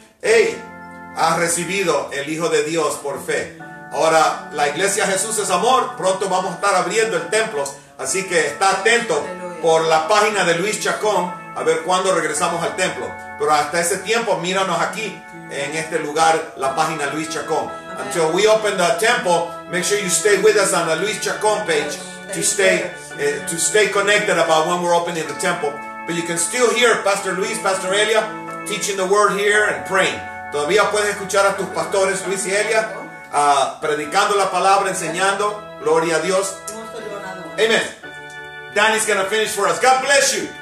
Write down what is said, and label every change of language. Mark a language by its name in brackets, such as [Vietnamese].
[Spanish] Hey, has recibido el Hijo de Dios por fe. Ahora, la Iglesia Jesús es Amor. Pronto vamos a estar abriendo el templo. Así que está atento por la página de Luis Chacón a ver cuándo regresamos al templo. Pero hasta ese tiempo, míranos aquí en este lugar, la página Luis Chacón. [English] Until we open the temple, make sure you stay with us on the Luis Chacón page to stay connected about when we're opening the temple. But you can still hear Pastor Luis, Pastor Elia, teaching the word here and praying. [Spanish] Todavía puedes escuchar a tus pastores Luis y Elia predicando la palabra, enseñando. Gloria a Dios. Amen. [English] Danny's going to finish for us. God bless you.